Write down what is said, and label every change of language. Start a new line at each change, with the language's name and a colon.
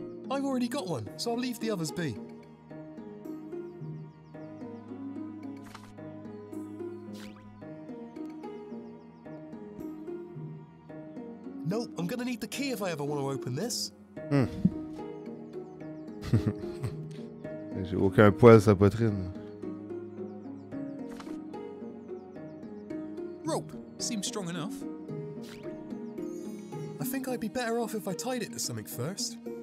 English: I've already got one, so I'll leave the others be. Nope, I'm gonna need the key if I ever want to open this.
French: J'ai aucun poil sur la poitrine.
English: Rope seems strong enough. I think I'd be better off if I tied it to something first.